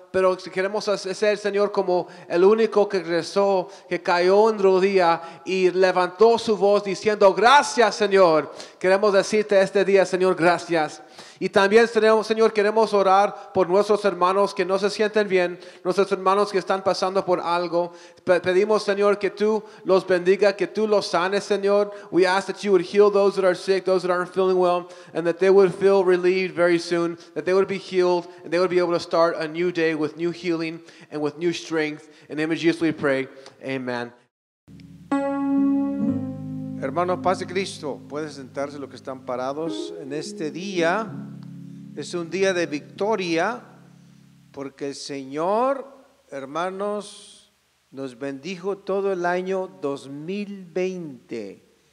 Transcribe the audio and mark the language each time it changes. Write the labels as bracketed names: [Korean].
[Spanish] Pero queremos ser, Señor, como el único que regresó, que cayó en rodilla y levantó su voz diciendo, gracias, Señor. Queremos decirte este día, Señor, gracias. Y también, Señor, queremos orar por nuestros hermanos que no se sienten bien, nuestros hermanos que están pasando por algo. Pedimos, Señor, que Tú los bendiga, que Tú los sanes, Señor. [English] We ask that You would heal those that are sick, those that aren't feeling well, and that they would feel relieved very soon, that they would be healed, and they would be able to start a new day with new healing and with new strength. In the name of Jesus we pray, amen. [Spanish] Hermanos, paz de Cristo, pueden sentarse los que están parados. En este día, es un día de victoria, porque el Señor, hermanos, nos bendijo todo el año 2020.